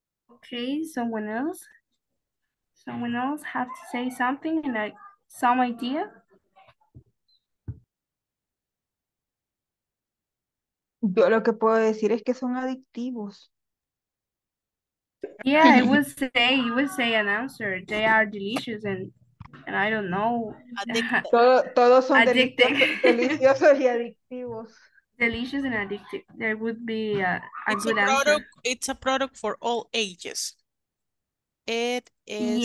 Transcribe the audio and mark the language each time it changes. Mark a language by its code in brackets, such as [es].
[en] Okay, someone else have to say something and some idea? [es] Yo lo que puedo decir es que son adictivos. [en] Yeah, I would say, you would say an answer. They are delicious and I don't know. [es] Todos son deliciosos y adictivos. [en] Delicious and addictive. There would be a it's good a product, answer. It's a product for all ages. It is.